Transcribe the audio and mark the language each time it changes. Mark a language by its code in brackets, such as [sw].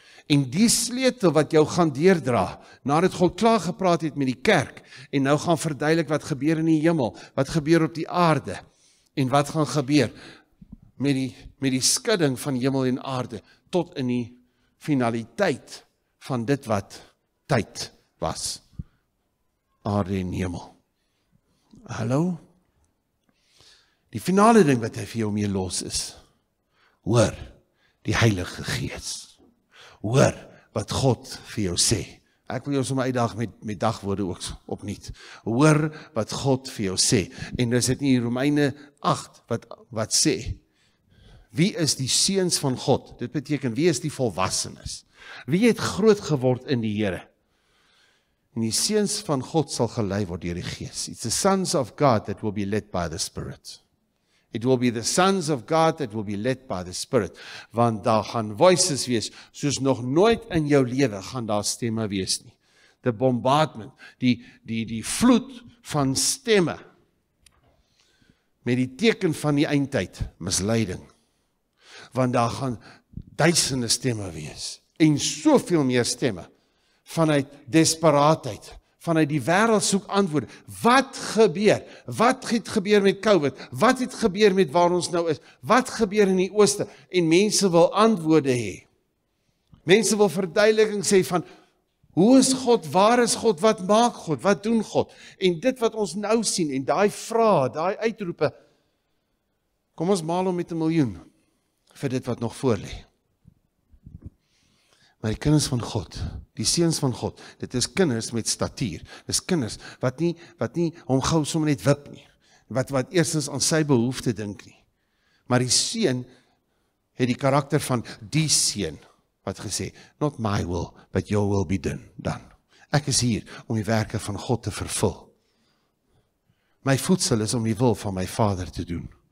[af] En die sleutel wat jou gaan deerdra, nadat God klaar gepraat het met die kerk, en nou gaan verduidelik wat gebeur in die hemel, wat gebeur op die aarde, en wat gaan gebeur met die skudding van hemel en aarde, tot in die finaliteit van dit wat tyd was. Aarde en hemel. Hallo? Die finale ding wat hy vir jou mee los is, hoor die Heilige Gees. Hoor wat God vir jou sê. Ek wil jou sommer uitdag met dagwoorde ook opnuut. Hoor wat God vir jou sê. En dis dit in Romeine 8 wat sê. Wie is die seuns van God? Dit beteken wie is die volwassenes? Wie het groot geword in die Here? En die seuns van God sal gelei word deur die Gees. [en] It's the sons of God that will be led by the Spirit. It will be the sons of God that will be led by the Spirit. [af] Want daar gaan voices wees, soos nog nooit in jou lewe gaan daar stemme wees nie. [en] The bombardment, [af] die vloed van stemme, met die teken van die eindtyd, misleiding. Want daar gaan duisende stemme wees, en soveel meer stemme, vanuit desperaatheid. Vanuit die wêreld soek antwoord, wat gebeur? Wat het gebeur met COVID? Wat het gebeur met waar ons nou is? Wat gebeur in die ooste? En mense wil antwoorde hê. Mense wil verduideliking sê van, hoe is God, waar is God, wat maak God, wat doen God? En dit wat ons nou sien, en daai vrae, daai uitroepe, kom ons maal om met 1 miljoen, vir dit wat nog voor lê. Maar die kinders van God, die seuns van God, dit is kinders met statuur, dit is kinders wat nie hom gou sommer net wip nie, wat eerstens aan sy behoefte dink nie. Maar die seun het die karakter van die seun, wat gesê, [en] not my will, but your will be done. [af] Ek is hier om die werke van God te vervul. My voedsel is om die wil van my vader te doen.